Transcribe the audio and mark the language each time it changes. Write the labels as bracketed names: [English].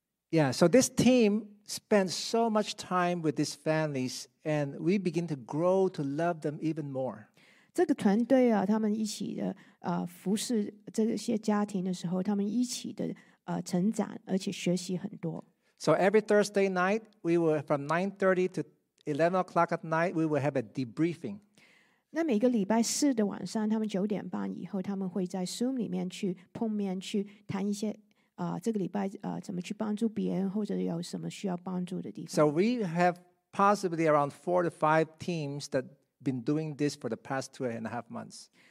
[English] Yeah, so this team spent so much time with these families and we begin to grow to love them even more. [Chinese] 这个团队他们一起的服侍这些家庭的时候，他们一起的成长，而且学习很多。 [English] So every Thursday night, we were from 9:30 to 11 o'clock at night, we will have a debriefing. [Chinese] 那每个礼拜四的晚上，他们九点半以后，他们会在 Zoom 里面去碰面，去谈一些这个礼拜怎么去帮助别人，或者有什么需要帮助的地方。 [English] So we have possibly around 4 to 5 teams that been doing this for the past 2.5 months.